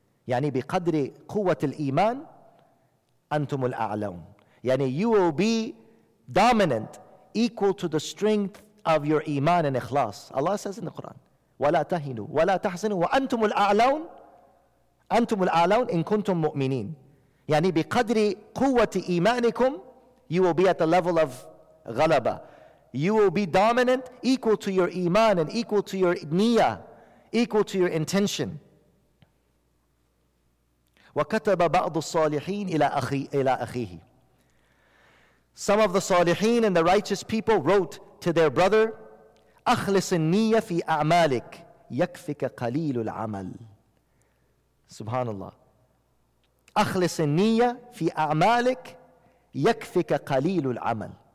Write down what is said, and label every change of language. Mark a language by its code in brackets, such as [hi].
[ar] يعني بقدر قوة الإيمان أنتم الأعلون. [en] يعني you will be dominant, equal to the strength of your iman and ikhlas. Allah says in the Quran, [ar] وَلَا تَهِنُوا وَلَا تَحْزَنُوا وَأَنْتُمُ الْأَعْلَوْنَ أَنْتُمُ الْأَعْلَوْنَ إِن كُنْتُم مُؤْمِنِينَ. يعني بقدر قوة إيمانكم, [en] you will be at the level of غلبة. You will be dominant, equal to your iman and equal to your niyyah, equal to your intention. [ar] وَكَتَبَ بَعْضُ الصَّالِحِينَ إِلَى أَخِيهِ. [en] Some of the salihin and the righteous people wrote to their brother, [ar] أخلص النية في أعمالك يكفك قليل العمل. Subhanallah. أخلص النية في أعمالك يكفك قليل العمل.